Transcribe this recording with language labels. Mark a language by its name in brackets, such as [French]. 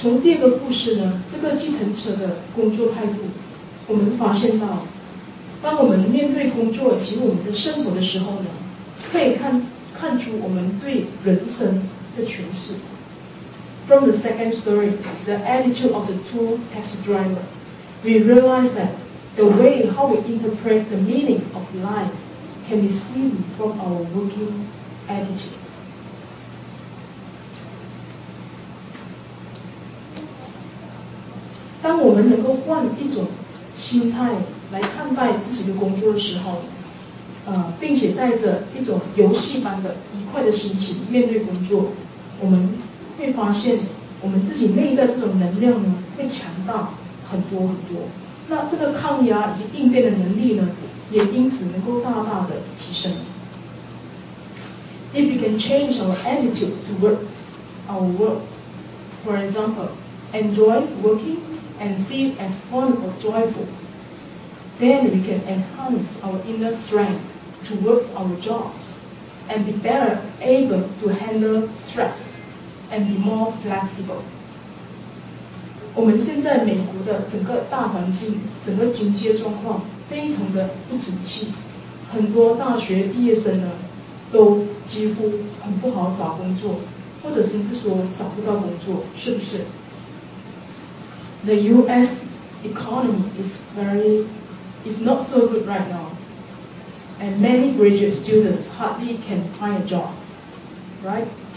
[Chinese] 从第二个故事呢，这个计程车的工作态度，我们发现到。当我们面对工作及我们的生活的时候呢，可以看出我们对人生的诠释。 [English] From the second story, the attitude of the two taxi drivers, we realize that the way how we interpret the meaning of life can be seen from our working attitude. [Chinese] 当我们能够换一种心态来看待自己的工作的时候，并且带着一种游戏般的愉快的心情面对工作，我们会发现我们自己内在这种能量呢会强大很多很多，那这个抗压以及应变的能力呢也因此能够大大的提升。 [English] If we can change our attitude towards our work, for example, enjoy working and see it as fun or joyfulThen we can enhance our inner strength towards our jobs and be better able to handle stress and be more flexible. [Chinese] 我们现在美国的整个大环境整个经济的状况非常的不景气，很多大学毕业生呢都几乎很不好找工作，或者甚至说找不到工作，是不是？ [English] The US economy is not so good right now, and many graduate students hardly can find a job, right?